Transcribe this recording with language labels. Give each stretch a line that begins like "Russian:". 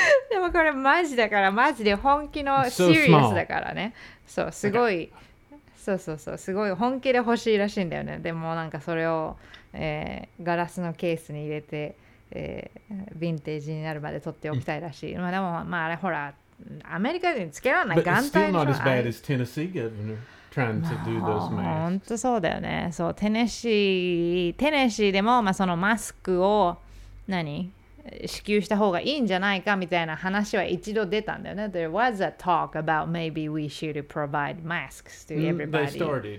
Japanese: でもこれマジだから、マジで本気のシリーズだからね。そうすごい、そうそうそう、すごい本気で欲しいらしいんだよね。でもなんかそれを、ガラスのケースに入れて、ヴィンテージになるまで取っておきたいらしい。まあでもまああれほらアメリカ人につけられない眼帯。
English: But still not as bad as Tennessee governor.
Japanese: 本当そうだよね。そう、テネシーでも、まあ、そのマスクを何支給した方がいいんじゃないかみたいな話は一度出たんだよね。
English: There was a talk about maybe we should provide masks to everybody.